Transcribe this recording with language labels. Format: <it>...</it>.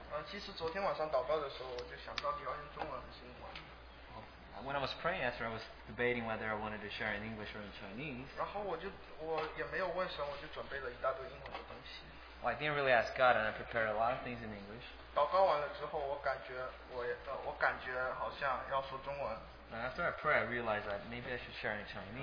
<zh>其实昨天晚上祷告的时候，我就想到底要用中文还是英文。</zh> <en>When I was praying, after I was debating whether I wanted to share in English or in Chinese.</en> <zh>然后我也没有问神，我就准备了一大堆英文的东西。</zh> <en>Well, I didn't really ask God, and I prepared a lot of things in English.</en> <zh>祷告完了之后，我感觉好像要说中文。</zh> <en>And after I pray, I realized that maybe I should share in Chinese.</en>